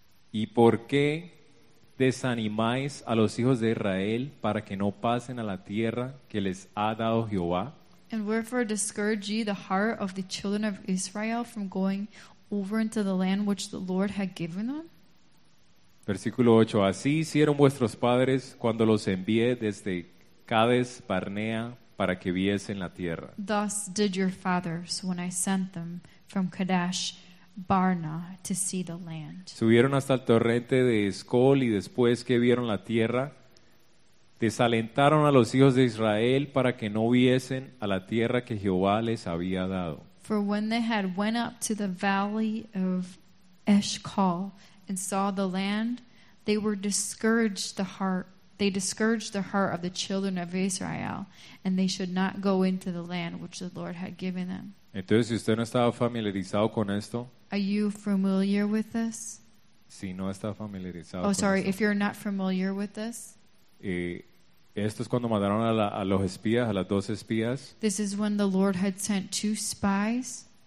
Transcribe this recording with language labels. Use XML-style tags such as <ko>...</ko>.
<es>¿Y por qué desanimáis a los hijos de Israel para que no pasen a la tierra que les ha dado Jehová?</es> <en>And wherefore discourage ye the heart of the children of Israel from going over into the land which the Lord had given them?</en> <es>Versículo 8. Así hicieron vuestros padres cuando los envié desde Cades Barnea para que viesen la tierra.</es> <en>Thus did your fathers when I sent them from Kadesh Barna to see the land.</en> <es>Subieron hasta el torrente de Escol y después que vieron la tierra, desalentaron a los hijos de Israel para que no viesen a la tierra que Jehová les había dado.</es> <en>For when they had went up to the valley of Eshcol and saw the land, they were discouraged the heart. They discouraged the heart of the children of Israel, and they should not go into the land which the Lord had given them.</en> <es>Entonces, si usted no estaba familiarizado con esto,</es> <en>are you familiar with this?</en> <es>Si no está familiarizado.</es> <en>Oh,</en> <es>con</es> <en>sorry.</en> <es>Esto.</es> <en>If you're not familiar with this.</en> <es>Esto es cuando mandaron a los espías, a las dos espías.</es> <en>This is when the Lord had sent 12 spies.</en>